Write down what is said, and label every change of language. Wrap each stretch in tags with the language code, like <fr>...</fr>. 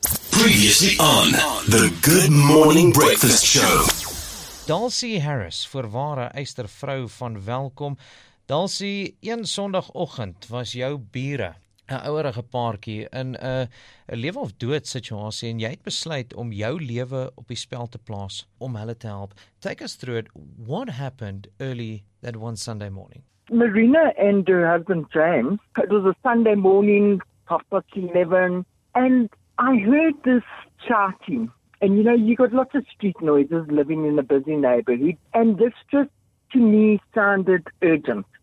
<en>Previously on the Good Morning Breakfast Show.</en> <af>Dalcy Harris, voorwaar 'n eistervrou van welkom. Dalcy, een sonoggend was jou bure, 'n ouerige paartjie in 'n lewe of dood situasie en jy het besluit om jou lewe op die spel te plaas om hulle te help.</af> <en>Take us through it. What happened early that one Sunday morning? Marina and her husband James, it was a Sunday morning, half past 11, and I heard this shouting. And you know, you got lots of street noises living in a busy neighborhood, and this just to me sounded urgent.</en>